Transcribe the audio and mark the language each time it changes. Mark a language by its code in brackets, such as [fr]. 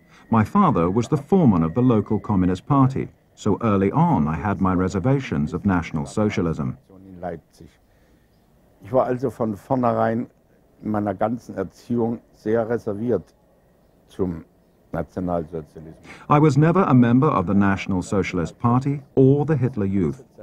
[en] My father was the foreman of the local Communist Party, so early on I had my reservations of National Socialism. Leipzig. [de] Ich war also von vornherein in meiner ganzen Erziehung sehr reserviert zum Nationalsozialismus. [en] I was never a member of the National Socialist Party or the Hitler Youth.